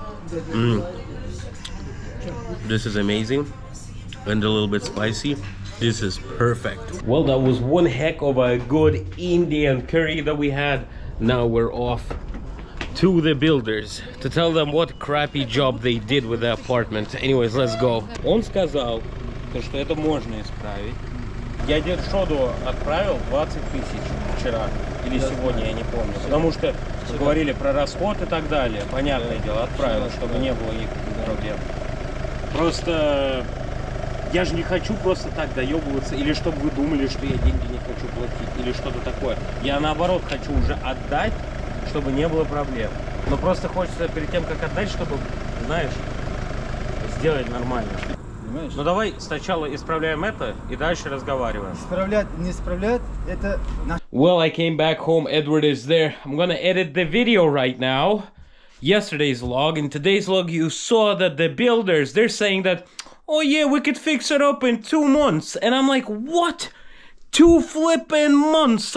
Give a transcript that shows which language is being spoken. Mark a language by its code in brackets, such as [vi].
[en] Mm. This is amazing and a little bit spicy. This is perfect. Well, that was one heck of a good Indian curry that we had. Now we're off to the builders to tell them what crappy job they did with the apartment. Anyways, let's go. [ru] Он сказал, что это можно исправить. Я дед Шоду отправил 20 000 вчера или сегодня, я не помню. Потому что говорили про расход и так далее. Понятное дело, отправил, чтобы не было никаких проблем. Просто я же не хочу просто так доебываться, или чтобы вы думали, что я деньги не хочу платить, или что-то такое. Я наоборот хочу уже отдать, чтобы не было проблем. Но просто хочется перед тем, как отдать, чтобы, знаешь, сделать нормально. Понимаешь? Ну давай сначала исправляем это и дальше разговариваем. Исправлять, не исправлять, это... [en] Well, I came back home, Edward is there. I'm gonna edit the video right now. Yesterday's log, in today's log you saw that the builders, they're saying that, oh yeah, we could fix it up in 2 months. And I'm like, what? 2 flipping months?